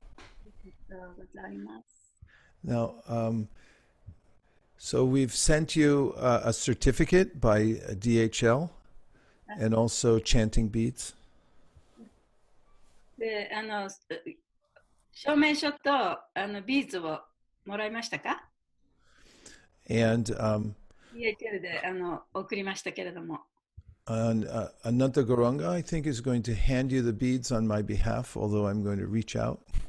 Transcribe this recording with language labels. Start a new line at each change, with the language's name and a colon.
Japanese: ありがとうございます。
English: Now, So we've sent you a certificate by DHL and also chanting beads.
Japanese: で、あの、証明書とあのビーズをもらいましたか？
English: And
Japanese: DHL であの送りましたけれども。
English: Ananta Goranga, I think, is going to hand you the beads on my behalf, although I'm going to reach out.